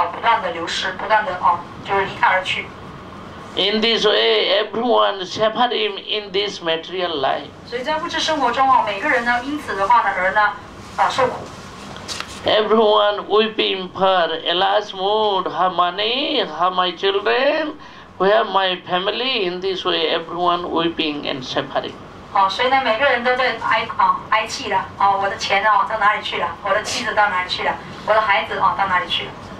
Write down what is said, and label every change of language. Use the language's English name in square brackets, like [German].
[Chinese] 这个人的房子也好，妻儿子女，他的钱财，他的土地，他的牲畜，那么这东西都不能够恒定拥有，而是不断的流失，不断的离他而去。 [English] In this way, everyone separate him in this material life. [Chinese] 所以在物质生活中，每个人因此而受苦。 [English] Everyone weeping for alas mood, her money, her my children. We have my family in this way, everyone weeping and suffering. [Chinese] 所以每个人都在哀泣了，我的钱到哪里去了，我的妻子到哪里去了，我的孩子到哪里去了。